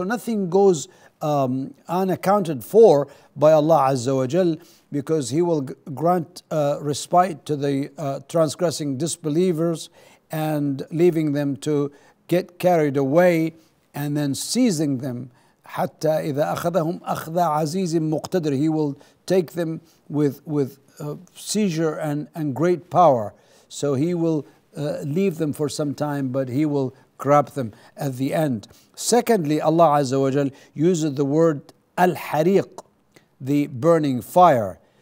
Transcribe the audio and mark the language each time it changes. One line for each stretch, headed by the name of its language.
English: So nothing goes unaccounted for by Allah Azza wa Jal, because He will grant respite to the transgressing disbelievers and leaving them to get carried away and then seizing them.
Arabic: حَتَّى إِذَا أَخَذَهُمْ أَخْذَ عَزِيزٍ مُقْتَدِرٍ.
English: He will take them with seizure and great power. So He will leave them for some time, but He will grab them at the end. Secondly, Allah Azza wa Jal uses the word al-hariq, the burning fire.